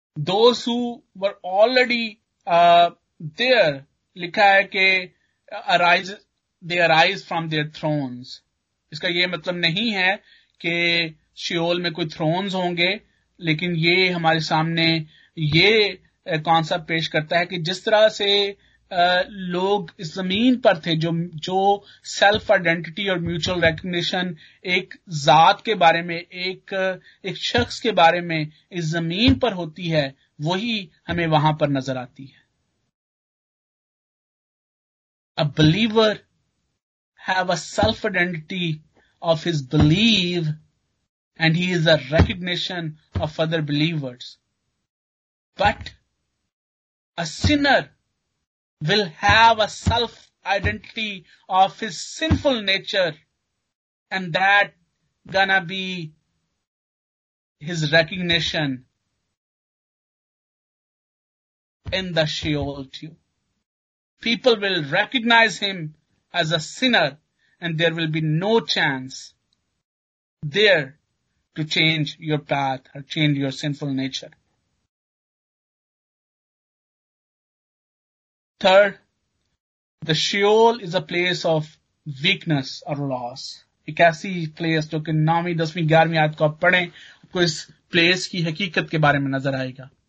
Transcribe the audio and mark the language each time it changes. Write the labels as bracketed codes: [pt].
[en] Those who were already there, [ur] لکھا ہے کہ [en] they arise from their thrones. [ur] اس کا یہ مطلب نہیں ہے کہ شیول میں کوئی تھرونز ہوں گے, لیکن یہ ہمارے سامنے یہ کانسیپٹ پیش کرتا ہے کہ جس طرح سے لوگ اس زمین پر تھے, جو [en] self identity [ur] اور [en] mutual recognition [ur] ایک ذات کے بارے میں, ایک شخص کے بارے میں اس زمین پر ہوتی ہے, وہی ہمیں وہاں پر نظر آتی ہے. [en] A believer have a self identity of his belief and he is a recognition of other believers, but a sinner will have a self identity of his sinful nature and that gonna be his recognition in the Sheol too. People will recognize him as a sinner and there will be no chance there to change your path or change your sinful nature. Third, the Sheol is a place of weakness or loss. [ur] ایک ایسی place جو کہ نویں دسویں گیارہویں آیت کو آپ پڑھیں, آپ کو اس پلیس کی حقیقت کے بارے میں نظر آئے گا.